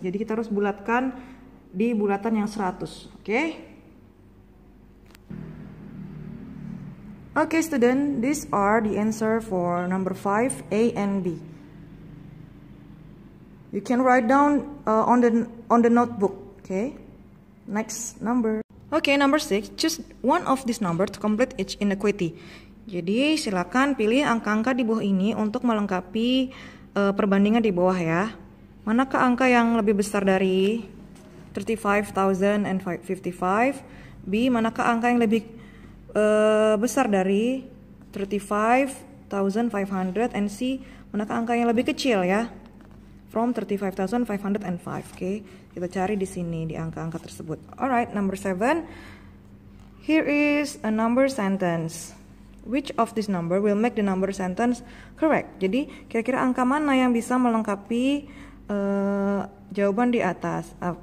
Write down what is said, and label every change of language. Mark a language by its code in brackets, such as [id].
[id] Jadi kita harus bulatkan di bulatan yang 100. [en] Okay. Okay, student, these are the answer for number 5, A and B. You can write down on the notebook, okay? Next number. Okay, number 6, choose one of these number to complete each inequality. [id] Jadi, silakan pilih angka-angka di bawah ini untuk melengkapi perbandingan di bawah ya. Manakah angka yang lebih besar dari 35,055? B, manakah angka yang lebih besar dari 35,500, and C, manakah angka yang lebih kecil ya, from 35,505. Oke, kita cari di sini di angka-angka tersebut. [en] Alright, number 7. Here is a number sentence. Which of this number will make the number sentence correct? [id] Jadi, kira-kira angka mana yang bisa melengkapi jawaban di atas?